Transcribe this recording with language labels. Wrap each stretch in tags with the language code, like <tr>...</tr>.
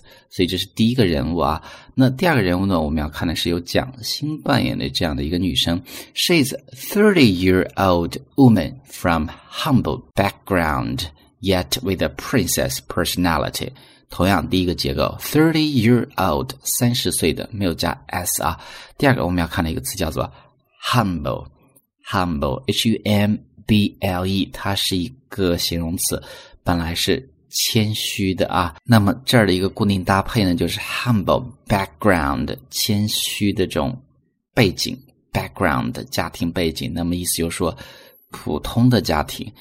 <zh>所以这是第一个人物啊。那第二个人物呢，我们要看的是由蒋欣扮演的这样的一个女生。</zh> <en>She's a 30-year-old woman from humble background, yet with a princess personality.</en> <zh>同样第一个结构 ,30-year-old, 30岁的，没有加 s 啊。第二个我们要看的一个词叫做 humble,humble,h-u-m-b-l-e, 它是一个形容词，本来是谦虚的啊，那么这儿的一个固定搭配呢，就是 humble background, 谦虚的这种背景 background, 家庭背景，那么意思就是说普通的家庭。</zh>